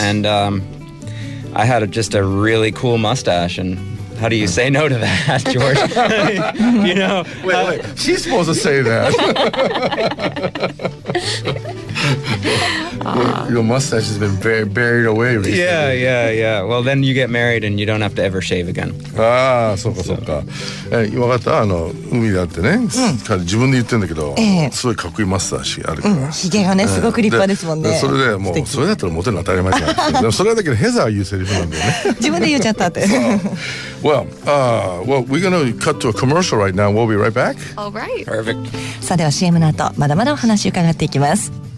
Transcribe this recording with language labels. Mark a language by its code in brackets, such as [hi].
[en] And I had just a really cool mustache, and how do you say no to that, George? You know? Wait, she's supposed to say that. Your mustache has been buried away recently. Yeah. Well, then you get married and you don't have to ever shave again. [ja] Ah, そうかそうか.Hey, わかった? あの、海だってね、 自分で言ってんだけど、 すごいかっこいいマスターシーあるから。髭がね、すごく立派ですもんね。それでもう、それだったらモテるの当たり前じゃん。それはだけどヘザー言うセリフなんだよね。自分で言っちゃったって。 [en] Well, we're going to cut to a commercial right now. We'll be right back. All right. Perfect. [ja] さあでは、CMの後、まだまだお話伺っていきます。